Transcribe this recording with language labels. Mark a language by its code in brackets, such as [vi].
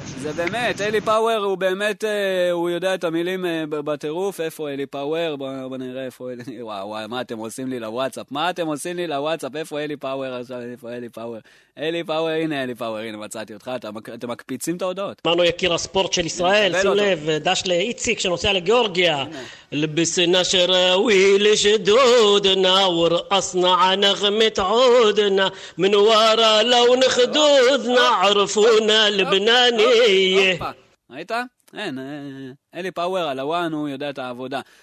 [he] זה באמת, אלי פאוור הוא באמת, הוא יודע את המילים בטירוף. איפה אלי פאוור? בוא נראה איפה אלי, וואו, מה אתם עושים לי לוואטסאפ? איפה אלי פאוור עכשיו? הנה אלי פאוור, מצאתי אותך, אתם מקפיצים את ההודעות. מנו יקיר הספורט של ישראל, שים לב, דש לאיציק שנוסע לגיאורגיה. [ar] لبسنا شراويل شدودنا ورقصنا عنغمة عودنا من ورا لون خدودنا عرفونا لبنانية. [he] ראית? אין, אלי פאוור הלוואן, הוא יודע את העבודה.